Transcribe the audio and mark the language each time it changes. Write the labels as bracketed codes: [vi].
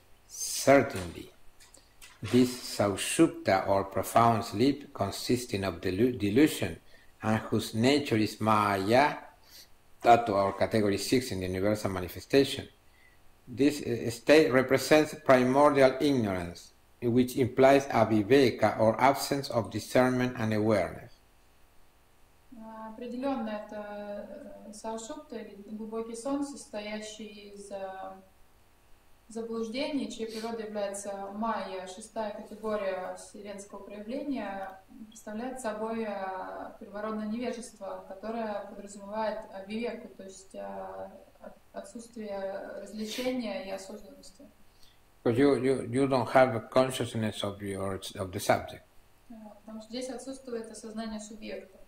[en] Certainly. This saushupta or profound sleep consisting of delusion and whose nature is maya, that to our category 6 in the universal manifestation. This state represents primordial ignorance, which implies avivēka or absence of discernment and awareness. [ru] Определенно это saushupta, глубокий сон, состоящий из заблуждение, чья природа является майя, шестая категория вселенского проявления, представляет собой первородное невежество, которое подразумевает авивеку, то есть отсутствие развлечения и осознанности. [en] Because you don't have a consciousness of your of the subject. [ru] Потому что здесь отсутствует осознание субъекта.